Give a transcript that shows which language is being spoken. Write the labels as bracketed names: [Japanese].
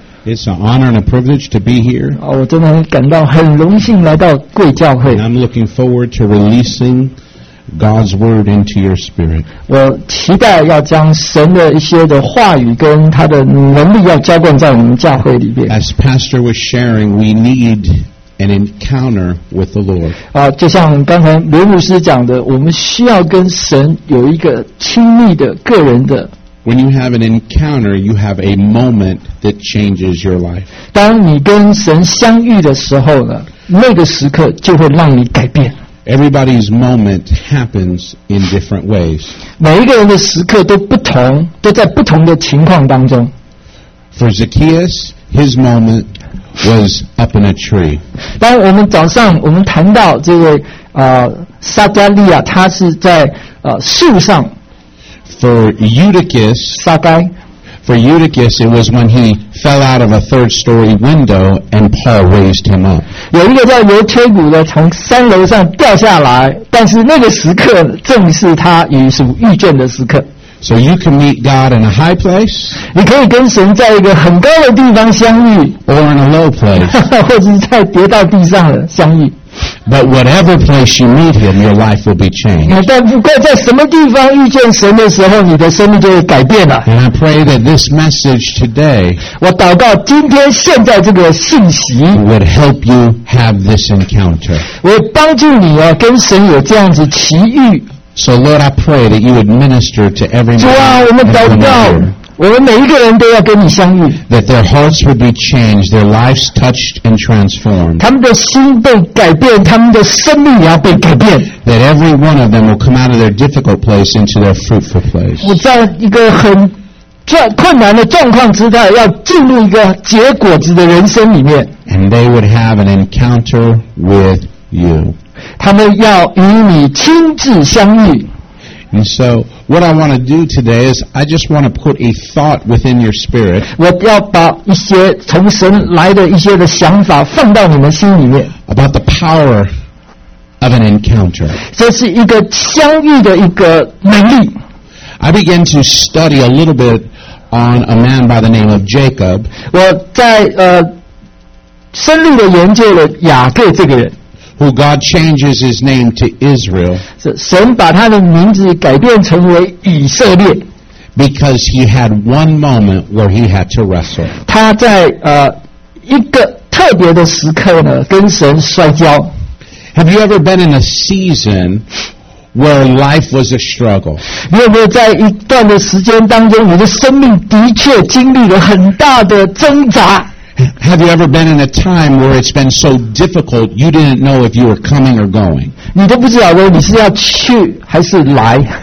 [English] It's an honor and a privilege to be here. [Chinese] 我真的感到很荣幸来到贵教会。 [English] And I'm looking forward to releasing God's word into your spirit. [Chinese] 我期待要将神的一些的话语跟他的能力要浇灌在我们教会里面。 [English] As Pastor was sharing, we need an encounter with the Lord. [Chinese] 就像刚才刘牧师讲的，我们需要跟神有一个亲密的个人的。 [English] When you have an encounter, you have a moment that changes your life. [Chinese] 当你跟神相遇的时候呢，那个时刻就会让你改变。 [English] Everybody's moment happens in different ways. [Chinese] 每一个人的时刻都不同，都在不同的情况当中。 [English] For Zacchaeus, his moment was up in a tree. [Chinese] 当我们早上我们谈到这位撒加利亚，他是在树上。 [English] For Eutychus, it was when he fell out of a third-story window and Paul raised him up. [Chinese] 有一个叫罗切古的从三楼上掉下来，但是那个时刻正是他与主遇见的时刻。 [English] So you can meet God in a high place. [Chinese] 你可以跟神在一个很高的地方相遇。 [English] Or in a low place. [Chinese] 或者是在跌到地上的相遇。 [English] But whatever place you meet him, your life will be changed. [Chinese] 但不管在什么地方遇见神的时候，你的生命就会改变了。 [English] And I pray that this message today, [Chinese] 我祷告今天现在这个信息 [English] would help you have this encounter. [Chinese] 我帮助你啊，跟神有这样子奇遇。 [English] So Lord, I pray that you would minister to every man. [Chinese] 主啊，我们祷告，我们每一个人都要跟你相遇。 [English] That their hearts would be changed, their lives touched and transformed. [Chinese] 他们的心被改变，他们的生命也要被改变。 [English] That every one of them will come out of their difficult place into their fruitful place. [Chinese] 我在一个很困难的状况之下，要进入一个结果子的人生里面。 [English] And they would have an encounter with you. [Chinese] 他们要与你亲自相遇。 [English] And so, what I want to do today is, I just want to put a thought within your spirit. [Chinese] 我要把一些从神来的一些的想法放到你们心里面。 [English] About the power of an encounter. [Chinese] 这是一个相遇的一个能力。 [English] I began to study a little bit on a man by the name of Jacob. [Chinese] 我在深入的研究了雅各这个人。 [English] Who God changes his name to Israel. [Chinese] 神把他的名字改变成为以色列。 [English] Because he had one moment where he had to wrestle. [Chinese] 他在一个特别的时刻呢跟神摔跤。 [English] Have you ever been in a season where life was a struggle? [Chinese] 你有没有在一段的时间当中你的生命的确经历了很大的挣扎？ [English] Have you ever been in a time where it's been so difficult you didn't know if you were coming or going? [Chinese] 你都不知道你是要去还是来。